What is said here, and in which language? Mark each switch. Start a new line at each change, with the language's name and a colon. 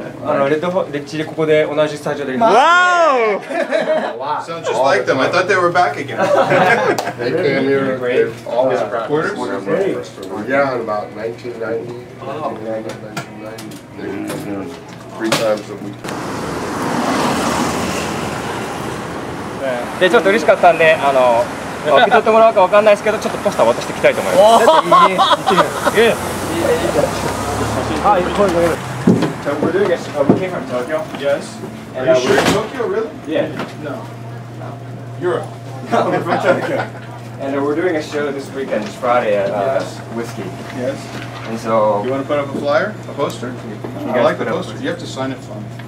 Japanese: あのレッドフォレッチでここで同じスタジオで。
English: Wow! Wow! Sounds just like them. I thought they were back again. They came here. They've always practiced. Yeah, in about 1990. Oh. 1990. Three times a week.
Japanese: でちょっと嬉しかったんで、あの受け取ってもらうかわかんないですけど、ちょっとポスター渡していきたいと思います。おー、いいね、いいね、いいね、いいね、はい、これ、これ。
English: So we're doing this, we came from Tokyo. Yes. Are you sure? Tokyo, really? Yeah. No. Europe. No, we're from Tokyo. And we're doing a show this weekend, this Friday at Whiskey. Yes. And so... You want to put up a flyer? A poster? I like the poster. You have to sign it for me.